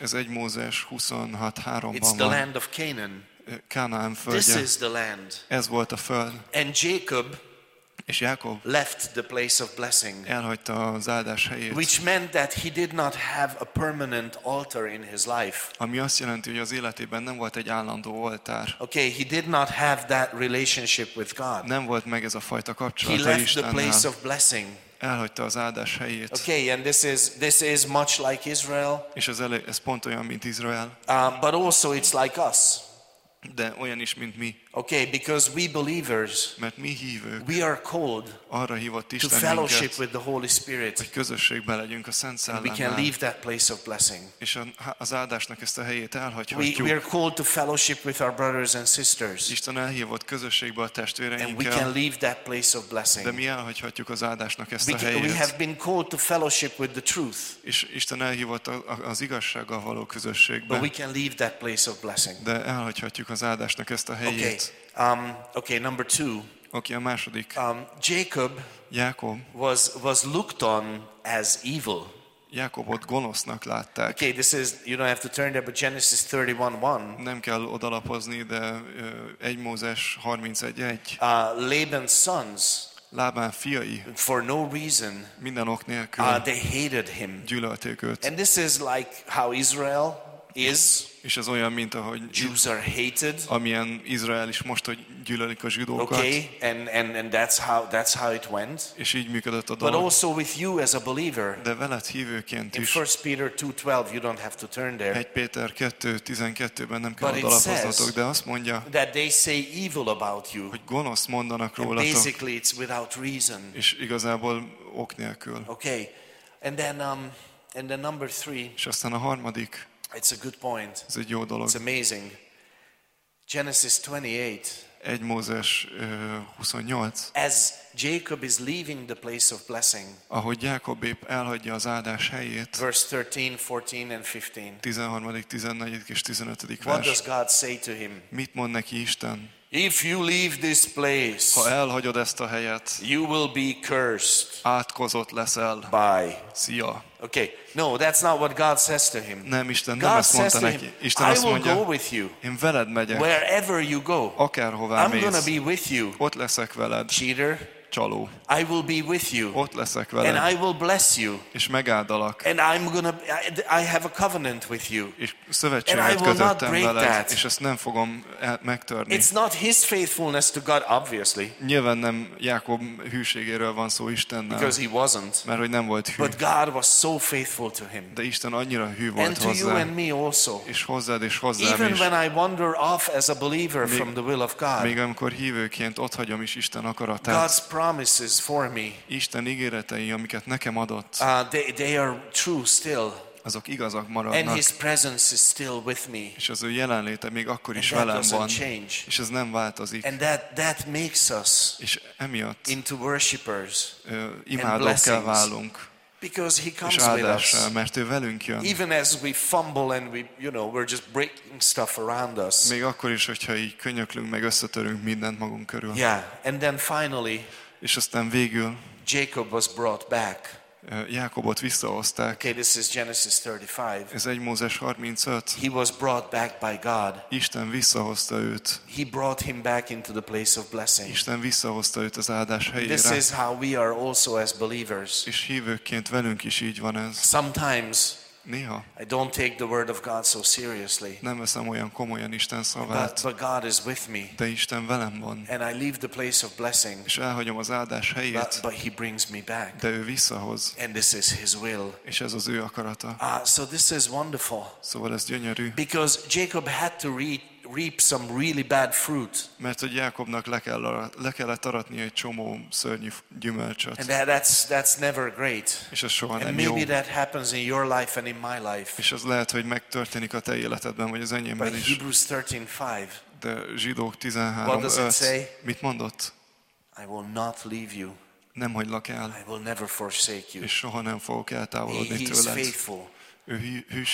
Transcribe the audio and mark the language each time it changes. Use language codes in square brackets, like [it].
[hu] Ez egy Mózes 26:3-ban van. [en] It's the land of Canaan. [hu] Kánaán földje. [en] This is the land. [hu] Ez volt a föld. [en] And Jacob. [hu] És Jákob. [en] Left the place of blessing. [hu] Elhagyta az áldás helyét. [en] Which meant that he did not have a permanent altar in his life. [hu] Ami azt jelenti, hogy az életében nem volt egy állandó oltár. [en] Okay, he did not have that relationship with God. [hu] Nem volt meg ez a fajta kapcsolata Istennel. [en] He left the place of blessing. [hu] Elhagyta az áldás helyét. [en] Okay, and this is much like Israel. [hu] És ez pont olyan, mint Izrael. [en] But also it's like us. [hu] De olyan is, mint mi. [en] Okay, because we believers, [hu] mert mi hívők, [en] we are called [hu] arra hívott Isten [en] to fellowship with the Holy Spirit, [hu] hogy közösségben legyünk a Szent Szellemmel. [en] We can leave that place of blessing. [hu] És az áldásnak ezt a helyét elhagyhatjuk. [en] We are called to fellowship with our brothers and sisters. [hu] Isten elhívott közösségbe a testvéreinkkel. [en] And we can leave that place of blessing. [hu] De mi elhagyhatjuk az áldásnak ezt a helyét. [en] We have been called to fellowship with the truth. [hu] És Isten elhívott az igazsággal való közösségbe. [en] But we can leave that place of blessing. [hu] De elhagyhatjuk az áldásnak ezt a helyét. [en] Okay. Okay, number two. [hu] Okay, a második. [en] Jákob was looked on as evil. [hu] Jákobot gonosznak látták. [en] Okay, this is, you don't have to turn there, but Genesis 31:1. [hu] Nem kell odalapozni, de 1 Mózes 31:1. [en] Laban's sons. [hu] Lábán fiai. [en] For no reason. [hu] Minden ok nélkül. [en] They hated him. [hu] Gyűlölték őt. [en] And this is like how Israel is. [hu] És ez olyan, mint ahogy [en] Jews are hated. [hu] Amilyen Izrael is most, hogy gyűlölik a zsidókat. [en] Okay, and that's how it went. [hu] És így működött a dolog. [en] But also with you as a believer. [hu] De veled hívőként is. [en] In 1 Peter 2:12, you don't have to turn there. [hu] 1 Péter 2:12-ben nem kell odalapoznatok, de azt mondja, [en] that they say evil about you. [hu] Hogy gonosz mondanak rólatok. [en] And basically it's without reason. [hu] És igazából ok nélkül. [en] Okay, and then number three. [hu] És aztán a harmadik. [en] It's a good point. [hu] Ez egy jó dolog. [en] It's amazing. Genesis 28. [hu] 1 Mózes 28. [en] As Jacob is leaving the place of blessing. [hu] Ahogy Jákob épp elhagyja az áldás helyét. [en] Verse 13, 14 and 15. [hu] 13., 14. és 15. vers. [en] What does God say to him? [hu] Mit mond neki Isten? [en] If you leave this place. [hu] Ha elhagyod ezt a helyet. [en] You will be cursed. [hu] Átkozott leszel. [en] Bye. [hu] Szia. [en] Okay. No, that's not what God says to him. [hu] Nem, Isten nem ezt mondta neki. Isten azt mondja, [en] I will go with you. [hu] Én veled megyek. [en] Wherever you go. [hu] Akárhová mész. [en] I'm going to be with you. [hu] Ott leszek veled. [en] Cheater. [hu] Csaló. [en] I will be with you. [hu] Ott leszek veled. [en] And I will bless you. [hu] És megáldalak. [en] And I have a covenant with you. [hu] És szövetséget kötöttem veled, és ezt nem fogom megtörni. [en] It's not his faithfulness to God, obviously. [hu] Nyilván nem Jákob hűségéről van szó Istennel. [en] Because he wasn't. [hu] Mert hogy nem volt hű. [en] But God was so faithful to him. [hu] De Isten annyira hű volt hozzá. [en] And to you and me also. [hu] És hozzád és hozzám is. [en] Even when I wander off as a believer from the will of God. [hu] Még amikor hívőként otthagyom is Isten akaratát. [en] God's promises for me. [hu] Isten ígéretei, amiket nekem adott. [en] They are true still. [hu] Azok igazak maradnak. [en] And his presence is still with me. [hu] És az ő jelenléte még akkor is velem van. [en] Change. [hu] És ez nem változik. [en] And that makes us [hu] és emiatt [en] into worshipers. [hu] Imádókká válunk. [en] Because he comes with us. [hu] Mert ő velünk jön. [en] Even as we fumble and we, you know, we're just breaking stuff around us. [hu] Még akkor is, hogyha így könyöklünk, meg összetörünk mindent magunk körül. [en] Yeah, and then finally. [hu] És aztán végül. [en] Jacob was brought back. [hu] Jákobot visszahozták. [en] Okay, this is Genesis 35. [hu] Ez 1 Mózes 35. [en] He was brought back by God. [hu] Isten visszahozta őt. [en] He brought him back into the place of blessing. [hu] Isten visszahozta őt az áldás helyére. [en] This is how we are also as believers. [hu] És hívőként velünk is így van ez. [en] Sometimes. [hu] Néha. [en] I don't take the word of God so seriously. [hu] Nem veszem olyan komolyan Isten szavát. [en] But God is with me. [hu] De Isten velem van. [en] And I leave the place of blessing. [hu] És elhagyom az áldás helyét. [en] But he brings me back. [hu] De ő visszahoz. [en] And this is his will. [hu] És ez az ő akarata. [en] So this is wonderful. [hu] Szóval ez gyönyörű. [en] Because Jacob had to reap some really bad fruit. [hu] Mert hogy Jákobnak le kellett aratni egy csomó szörnyű gyümölcsöt. [en] And that's never great. [hu] És ez soha nem jó. [en] And maybe that happens in your life and in my life. [hu] És az lehet, hogy megtörténik a te életedben, vagy az enyémben is. [en] But Hebrews 13:5. [hu] De Zsidók 13:5. Mit mondott? [en] I will not leave you. [hu] Nem hagylak el. [en] I will never forsake you. [hu] És soha nem fogok eltávolodni tőled. [en] He is faithful. [hu] Ő hűséges.